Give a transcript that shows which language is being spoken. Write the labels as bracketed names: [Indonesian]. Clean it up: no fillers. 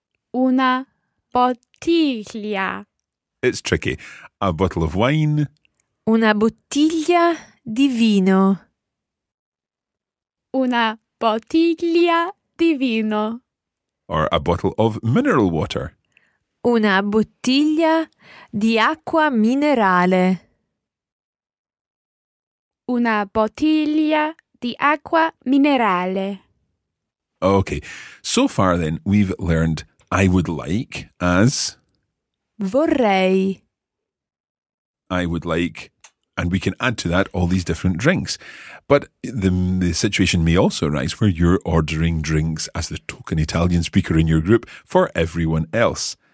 [Italian] Una bottiglia. [English] It's tricky. A bottle of wine. [Italian] Una bottiglia di vino. Una bottiglia di vino. [English] Or a bottle of mineral water. [Italian] Una bottiglia di acqua minerale. Una bottiglia di acqua minerale. [English] Okay, so far then we've learned I would like as... [Italian] Vorrei. [English] I would like, and we can add to that all these different drinks. But the situation may also arise where you're ordering drinks as the token Italian speaker in your group for everyone else.